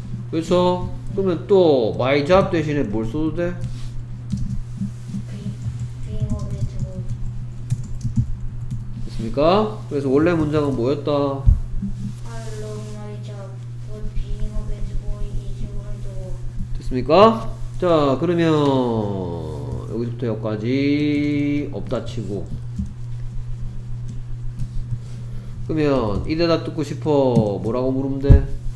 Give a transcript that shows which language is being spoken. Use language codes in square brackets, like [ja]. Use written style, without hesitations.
[ko] 그래서 그러면 또 [en] my job [ko] 대신에 뭘 써도 돼? [en] Dream of it. [ko] 됐습니까? 그래서 원래 문장은 뭐였다? [en] I love my job, but being a bad boy is hard work. [ko] 됐습니까? 자 그러면 여기서부터 여기까지 없다 치고 그러면 이 대답 듣고 싶어 뭐라고 물으면 돼?